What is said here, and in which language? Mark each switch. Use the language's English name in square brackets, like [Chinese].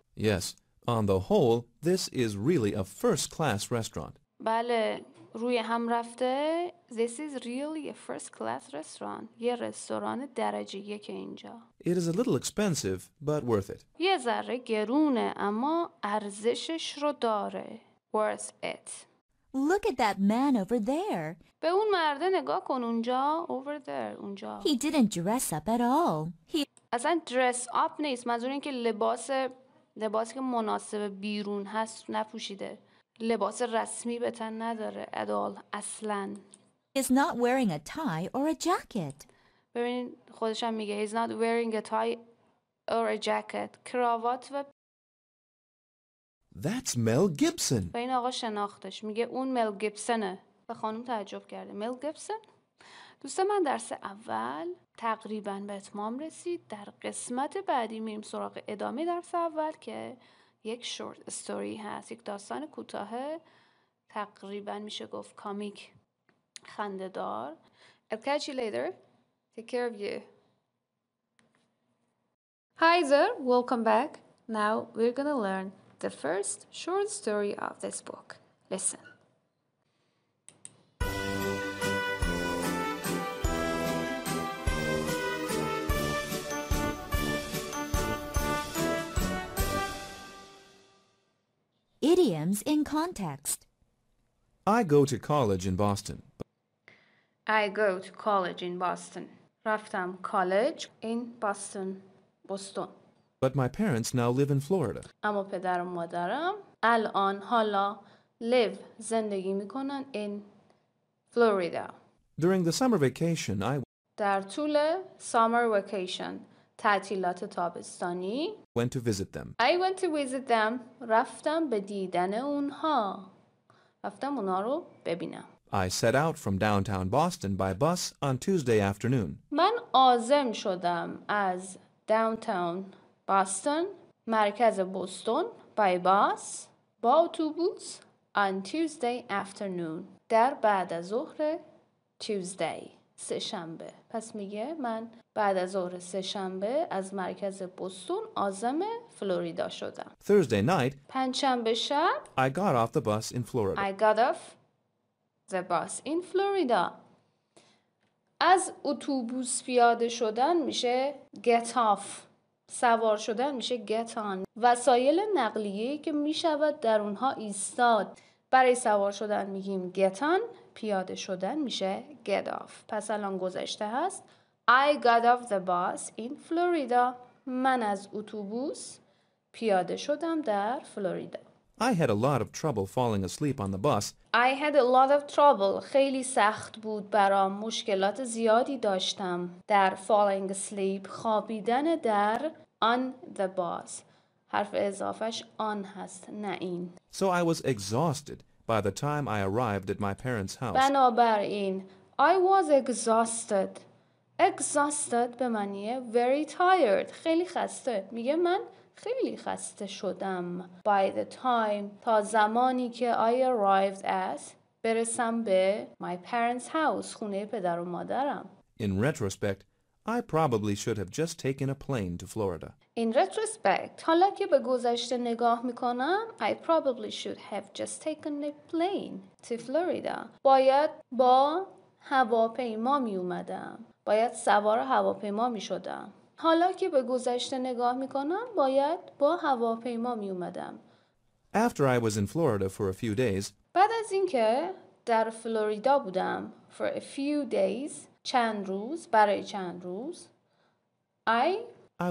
[English] Yes, on the whole this is really a first class restaurant [Persian] بله روی هم رفته [English] This is really a first class restaurant. [Persian] یه رستوران درجه یک اینجا. [English] It is a little expensive, but worth it. [Persian] یه ذره گرونه اما ارزشش رو داره. [English] Worth it. Look at that man over there. [Persian] به اون مرده نگاه کن اونجا. [English] Over there. [Persian] اونجا. [English] He didn't dress up at all. [Persian] اصلا [English] dress up [Persian] نیست. منظور این که لباسی که مناسب بیرون هست نپوشیده. لباس رسمی به تن نداره [English] at all [Persian] اصلا [English] He's not wearing a tie or a jacket [Persian] ببینید خودش هم میگه [English] He's not wearing a tie or a jacket [Persian] کراوات و [English] That's Mel Gibson [Persian] و این آقا شناختش میگه اون مل گیبسنه و خانم تعجب کرده مل گیبسن دوست من درس اول تقریبا به اتمام رسید در قسمت بعدی میریم سراغ ادامه درس اول که یک شورت استوری هست یک داستان کوتاه تقریبا میشه گفت کامیک خنده دار [English] I'll catch you later take care of you Hi there welcome back now we're gonna learn the first short story of this book listen Idioms in context. I go to college in Boston. I go to college in Boston. [Persian] رفتم [English] college in Boston. Boston. But my parents now live in Florida. [Persian] اما پدر و مادرم الان حالا [English] live [Persian] زندگی میکنن [English] in Florida. During the summer vacation, I [Persian] در طول [English] summer vacation [Persian] تعطیلات تابستانی [English] went to visit them I went to visit them [Persian] رفتم به دیدن اونها رفتم اونها رو ببینم [English] I set out from downtown Boston by bus on Tuesday afternoon [Persian] من عازم شدم از [English] downtown Boston [Persian] مرکز بوستون [English] by bus [Persian] با اتوبوس [English] on Tuesday afternoon [Persian] در بعد از ظهر [English] Tuesday [Persian] سه شنبه پس میگه من بعد از ظهر سه شنبه از مرکز بوستون عازم فلوریدا شدم [English] Thursday night [Persian] پنج شنبه شب [English] I got off the bus in Florida I got off the bus in Florida [Persian] از اتوبوس پیاده شدن میشه [English] get off [Persian] سوار شدن میشه [English] get on. [Persian] وسایل نقلیه که میشود در اونها ایستاد. برای سوار شدن میگیم [English] get on. [Persian] پیاده شدن میشه [English] get off. [Persian] پس الان گذشته هست. [English] I got off the bus in Florida. [Persian] من از اتوبوس پیاده شدم در فلوریدا. [English] I had a lot of trouble falling asleep on the bus. I had a lot of trouble. [Persian] خیلی سخت بود برام. مشکلات زیادی داشتم در [English] falling asleep. [Persian] خوابیدن در [English] on the bus. [Persian] حرف اضافش on هست نه این. [English] So I was exhausted by the time I arrived at my parents' house. [Persian] بنابراین [English] I was exhausted. Exhausted [Persian] به معنی [English] very tired. [Persian] خیلی خسته. میگه من خیلی خسته شدم [English] by the time [Persian] تا زمانی که [English] I arrived at [Persian] برسم به [English] my parents house [Persian] خونه پدر و مادرم. [English] In retrospect I probably should have just taken a plane to Florida. In retrospect [Persian] حالا که به گذشته نگاه میکنم [English] I probably should have just taken a plane to Florida. [Persian] باید با هواپیما میومدم. باید سوار هواپیما میشدم. حالا که به گذشته نگاه میکنم باید با هواپیما میومدم. [English] After I was in Florida for a few days. [Persian] بعد از اینکه در فلوریدا بودم [English] for a few days [Persian] چند روز برای چند روز [English] I